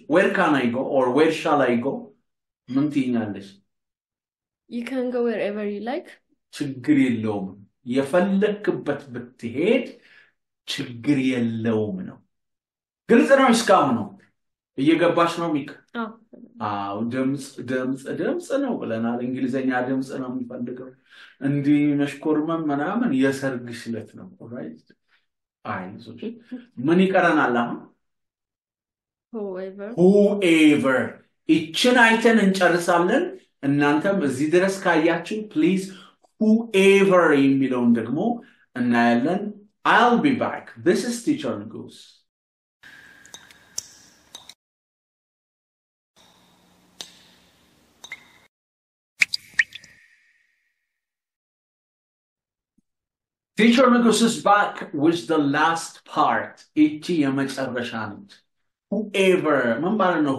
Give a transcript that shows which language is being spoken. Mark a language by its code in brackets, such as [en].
[en] Where can I go or where shall I go? [am] ምን ትይኛለሽ? [en] You can go wherever you like. [am] ችግር የለውም። የፈለክበት ብትሄድ ችግር የለውም ነው። ግልጽ ነው እስካሁን ነው? እየገባሽ ነው ሚክ? አዎ። ድምጽ ነው ብለናል። እንግሊዘኛ ድምጽ ነው የሚፈልገው። እንዲህ መሽኮርመን ምናምን የሰርግሽ ዕለት ነው። ኦራይት። አይዞሽ። ምን ይቀረናል አሁን? [en] Whoever. [am] ይችን አይተን እንጨርሳለን። እናንተም እዚህ ድረስ ካያችሁ please whoever የሚለውን ደግሞ እናያለን። [en] I'll be back. This is teacher Nigus. Teacher Nigus is back with the last part. [am] ይቺ የመጨረሻ ነች። Whoever ምን ማለት ነው?